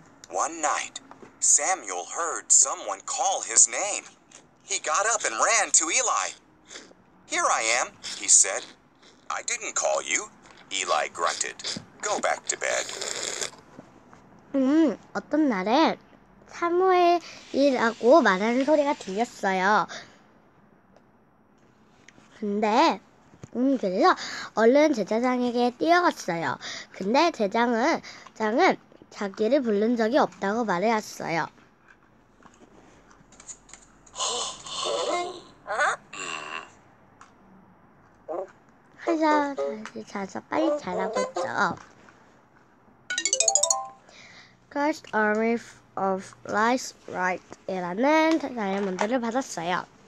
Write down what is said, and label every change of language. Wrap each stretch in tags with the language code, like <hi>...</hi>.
<en>One night, Samuel heard someone call his name. He got up and ran to Eli. "Here I am," he said. "I didn't call you," Eli grunted. Go back to bed.</en> <ko>어떤 날에 사무엘이라고 말하는 소리가 들렸어요. 근데 그래서 얼른 제사장에게 뛰어갔어요. 근데 제사장은 자기를 부른 적이 없다고 말했어요. 그래서 자서 빨리 자라고 했죠.</ko> <en>First Army of Light Right이라는</en> <ko>다이아몬드를 받았어요.</ko>